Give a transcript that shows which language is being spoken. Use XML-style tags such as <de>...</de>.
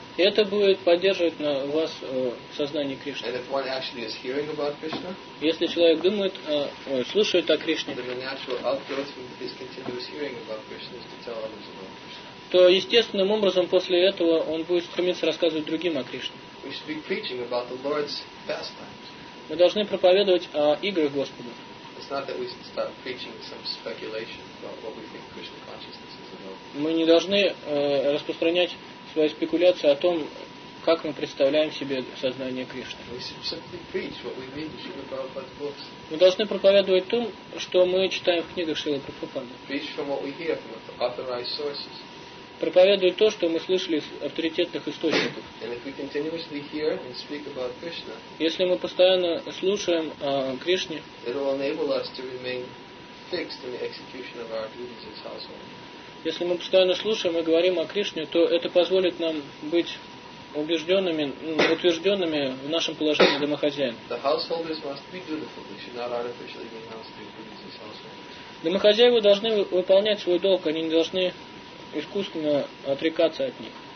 <ru>И это будет поддерживать на вас сознание Кришны.</ru> <en>And if one actually is hearing about Krishna,</en> <ru>если человек думает, слушает о Кришне,</ru> <en>then the natural outgrowth from his continuous hearing about Krishna is to tell others about Krishna.</en> <ru>То естественным образом после этого он будет стремиться рассказывать другим о Кришне.</ru> <en>We should be preaching about the Lord's pastimes.</en> <ru>Мы должны проповедовать о играх Господа.</ru> <en>It's not that we should start preaching some speculation about what we think Krishna consciousness is about.</en> <ru>Мы не должны распространять свои спекуляции о том, как мы представляем себе сознание Кришны.</ru> <en>We should simply preach what we read in Srila Prabhupada's books.</en> <ru>Мы должны проповедовать то, что мы читаем в книгах Шрилы Прабхупады.</ru> <en>Preach from what we hear from authorized sources.</en> <ru>Проповедовать то, что мы слышали из авторитетных источников.</ru> <en>And if we continuously hear and speak about Krishna,</en> <ru>если мы постоянно слушаем о Кришне,</ru> <en>it will enable us to remain fixed in the execution of our duties as householders.</en> <ru>Если мы постоянно слушаем и говорим о Кришне, то это позволит нам быть убежденными, утвержденными в нашем положении домохозяин.</ru> <en>The householders must be dutiful. They should not artificially renounce their duties as householders.</en> <ru>Домохозяева должны выполнять свой долг, они не должны искусственно отрекаться от них.</ru>